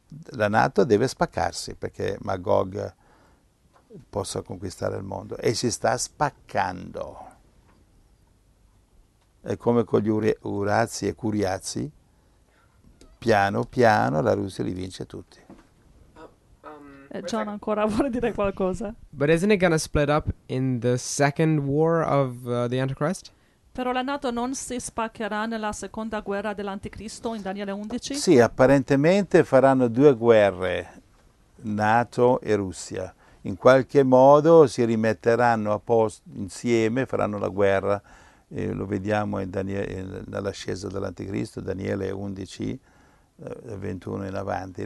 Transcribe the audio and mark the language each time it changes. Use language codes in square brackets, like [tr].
[it] La NATO deve spaccarsi perché Magog possa conquistare il mondo e si sta spaccando. È come con gli Urazi e Curiazi, piano piano la Russia li vince tutti. John ancora vuole dire qualcosa. [en] But isn't it gonna split up in the second war of the Antichrist? [it] Però la NATO non si spaccherà nella seconda guerra dell'Anticristo in Daniele 11? Sì, apparentemente faranno due guerre, NATO e Russia. In qualche modo si rimetteranno a posto insieme, faranno la guerra. Lo vediamo in nell'ascesa dell'Anticristo, Daniele 11, 21 in avanti.